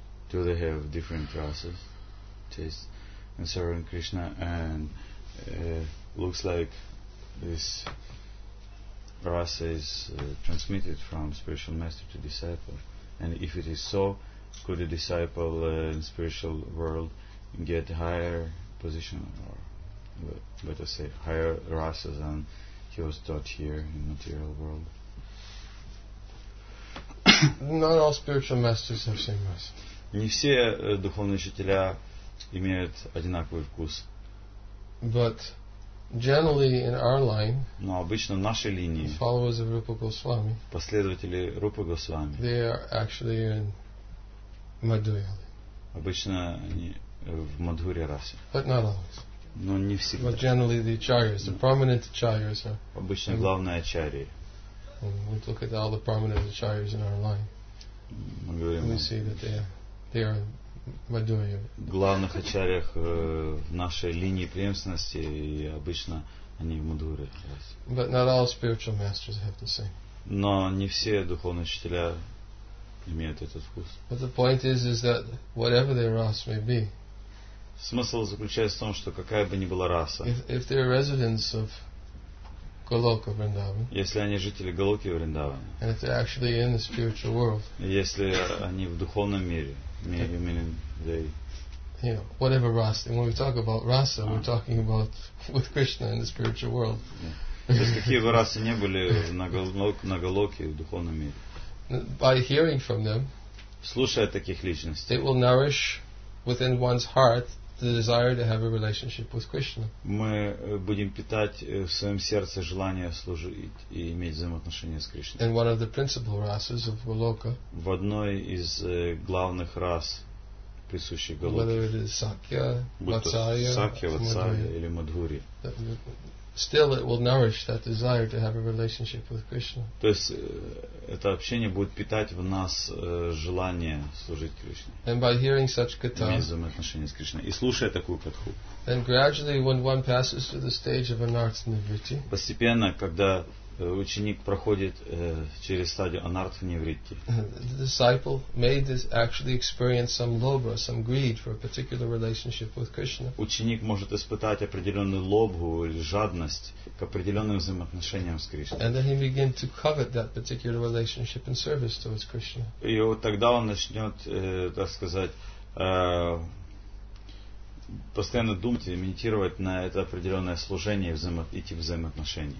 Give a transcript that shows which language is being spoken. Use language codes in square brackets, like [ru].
[en] Do they have different rasas, tastes, and so on, Krishna, and looks like this rasa is transmitted from spiritual master to disciple. And if it is so, could a disciple in spiritual world get higher position or better say higher rasa than he was taught here in material world? Not all spiritual masters have same rasa. [ru] Не все духовные учителя имеют одинаковый вкус. [en] But generally in our line, [ru] но обычно в нашей линии, [en] followers of Rupa Goswami, [ru] последователи Рупы Госвами, [en] they are actually in Madhuri. [ru] Обычно они в Мадхуре расе. [en] But not always. [ru] Но не всегда. [en] But generally the acharyas, the prominent acharyas are. [ru] Обычно главные ачарьи. [en] We look at all the prominent acharyas in our line. [ru] Мы говорим. [en] We see that they are Мадхуре. [ru] Главных ачарьях в нашей линии преемственности и обычно они в Мадхуре расе. [en] But not all spiritual masters have the same. [ru] Но не все духовные учителя имеют этот вкус. [en] But the point is that whatever their race may be. [ru] Смысл заключается в том, что какая бы ни была раса. [en] If they are residents of Goloka Vrindavan. [ru] Если они жители Голоки Вриндавана. [en] And if they're actually in the spiritual world. [ru] Если они в духовном мире. [en] Meaning they. You know, whatever race. And when we talk about rasa, we're talking about with Krishna in the spiritual world. [ru] То есть какие бы расы не были на Голоке в духовном мире. [en] By hearing from them, [ru] слушая таких личностей, [en] it will nourish within one's heart the desire to have a relationship with Krishna. [ru] Мы будем питать в своем сердце желание служить и иметь взаимоотношения с Кришной. [en] And one of the principal races of Goloka. [ru] В одной из главных рас, присущих Голоке. [en] Whether it is Sakya, Vatsalya, [ru] Sakya, Vatsalya или Madhuri. [en] Still, it will nourish that desire to have a relationship with Krishna. [ru] То есть это общение будет питать в нас желание служить Кришне. [en] And by hearing such katha, [ru] иметь взаимоотношения с Кришной, и слушая такую катху, [en] then gradually, when one passes to the stage of anarthanivritti, [ru] постепенно, когда ученик проходит через стадию анартха-нивритти, [en] the disciple may this actually experience some lobha, some greed for a particular relationship with Krishna. [ru] Ученик может испытать определенную лобху или жадность к определенным взаимоотношениям с Кришной. [en] And then he begin to covet that particular relationship in service towards Krishna. [ru] И вот тогда он начнет, так сказать, постоянно думать и медитировать на это определенное служение и идти в взаимоотношения.